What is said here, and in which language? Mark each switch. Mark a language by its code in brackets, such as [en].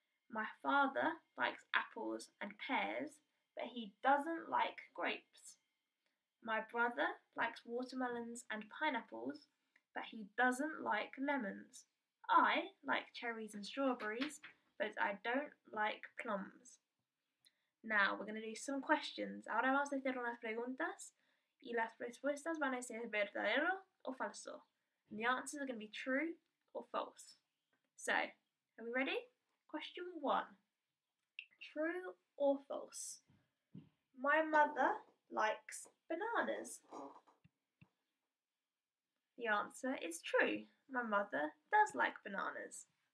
[en] My father likes apples and pears, but he doesn't like grapes. My brother likes watermelons and pineapples, but he doesn't like lemons. I like cherries and strawberries, but I don't like plums. Now, we're going to do some questions. [es] Ahora vamos a hacer unas preguntas, y las respuestas van a ser verdadero o falso. [en] And the answers are going to be true or false. So, are we ready? Question one, true or false? My mother likes bananas. The answer is true. My mother does like bananas.